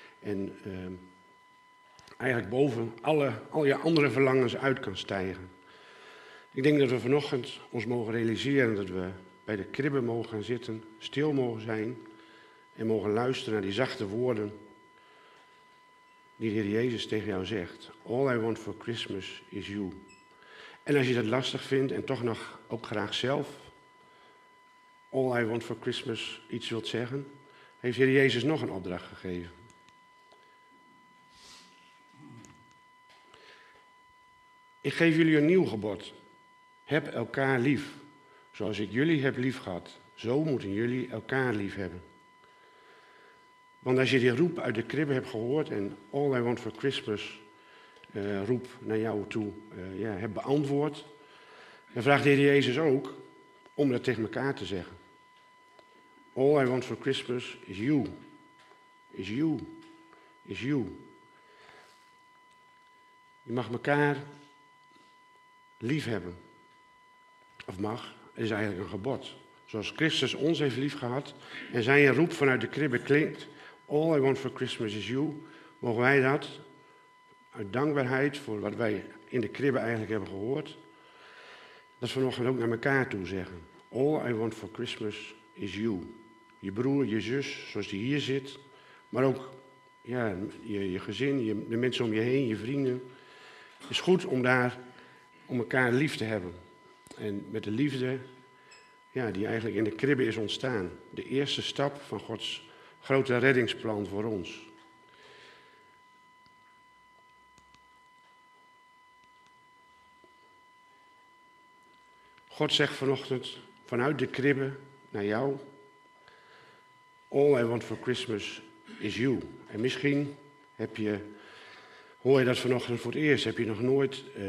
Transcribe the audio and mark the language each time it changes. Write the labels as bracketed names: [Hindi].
[Dutch] En eigenlijk boven al je andere verlangens uit kan stijgen. Ik denk dat we vanochtend ons mogen realiseren dat we bij de kribben mogen gaan zitten, stil mogen zijn en mogen luisteren naar die zachte woorden die de Heer Jezus tegen jou zegt. [English] All I want for Christmas is you. [Dutch] En als je dat lastig vindt en toch nog ook graag zelf [English] all I want for Christmas [Dutch] iets wilt zeggen, heeft de Heer Jezus nog een opdracht gegeven. Ik geef jullie een nieuw gebod. Heb elkaar lief. Zoals ik jullie heb lief gehad, zo moeten jullie elkaar lief hebben. Want als je die roep uit de kribbe hebt gehoord en [English] All I Want for Christmas [Dutch] roep naar jou toe, hebt beantwoord, dan vraagt de Heer Jezus ook om dat tegen elkaar te zeggen. [English] All I Want for Christmas is you. Is you. Is you. [Dutch] Je mag elkaar lief hebben. Of mag. Het is eigenlijk een gebod. Zoals Christus ons heeft lief gehad en zijn roep vanuit de kribbe klinkt, [English] All I want for Christmas is you, [Dutch] mogen wij dat, uit dankbaarheid voor wat wij in de kribbe eigenlijk hebben gehoord, dat vanochtend ook naar elkaar toe zeggen. [English] All I want for Christmas is you. [Dutch] Je broer, je zus, zoals die hier zit, maar ook je gezin, de mensen om je heen, je vrienden. Het is goed om daar om elkaar lief te hebben. En met de liefde die eigenlijk in de kribbe is ontstaan. De eerste stap van Gods grote reddingsplan voor ons. God zegt vanochtend vanuit de kribbe naar jou. [English] All I want for Christmas is you. [Dutch] En misschien hoor je dat vanochtend voor het eerst. Heb je nog nooit...